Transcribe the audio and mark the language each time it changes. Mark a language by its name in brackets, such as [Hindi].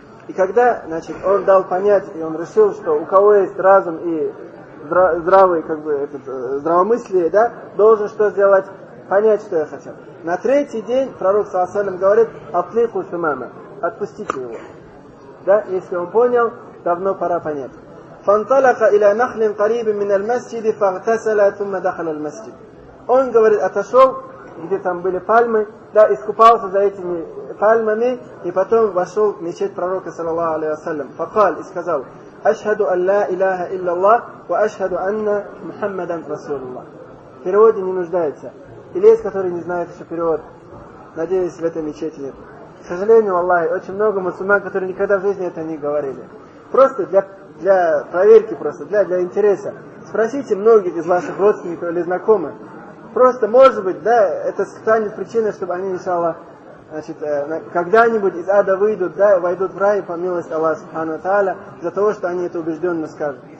[Russian] И когда, значит, он дал понять, и он решил, что у кого есть разум и здравый, как бы, этот, здравомыслие, да, должен что сделать? Понять, что я хочу. На третий день пророк, саллаллаху алейхи ва саллям, говорит: [Arabic] «Атлику сумама», [Russian] отпустите его. Да, если он понял, давно пора понять. [Arabic] فانطلق إلى نخل قريب من المسجد فاغتسل ثم دخل المسجد. [Russian] Он говорит, отошел, где там были пальмы, да, искупался за этими пальмами и потом вошел в мечеть пророка صلى الله عليه وسلم. [Arabic] فقال, [Russian] и сказал: [Arabic] أشهد أن لا إله إلا الله وأشهد أن محمدا رسول الله. [Russian] Перевод не нуждается. Или есть, который не знает еще перевод? Надеюсь, в этой мечети нет. К сожалению, Аллах, очень много мусульман, которые никогда в жизни это не говорили. Просто для проверки, просто для интереса. Спросите многих из ваших родственников или знакомых. Просто, может быть, да, это станет причиной, чтобы они, иншалла, значит, когда-нибудь из ада выйдут, да, войдут в рай, по милости Аллаха субхана ва тааля, из-за того, что они это убежденно скажут.